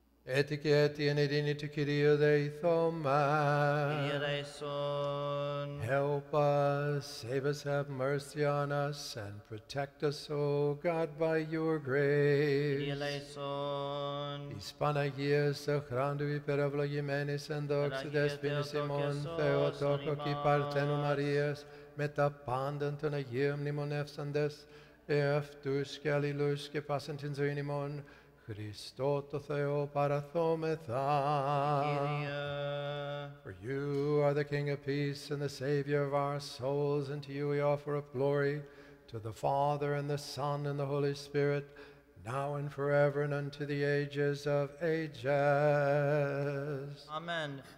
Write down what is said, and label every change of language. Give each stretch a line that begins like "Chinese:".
Greek: Έτι και έτι εν ειρήνη του Κυρίου δεηθώμαι. Κύριε Λέησον.
English: Help us, save us, have mercy on us, and protect us, O God, by your grace.
Greek: Κύριε Λέησον. Εις Παναγίας οχράντου υπερευλογημένης εν δόξη δεσποίνης ημών Θεοτόκο και Παρθένου Μαρίας με τα πάντα των Αγίων μνημονεύσαντες εαυτούς και αλληλούς και πάσαν την ζωή ημών Χριστό το Θεό παραθώμεθα. Κύριε.
English: For you are the King of Peace and the Savior of our souls, and to you we offer up glory to the Father and the Son and the Holy Spirit, now and forever and unto the ages of ages. Amen.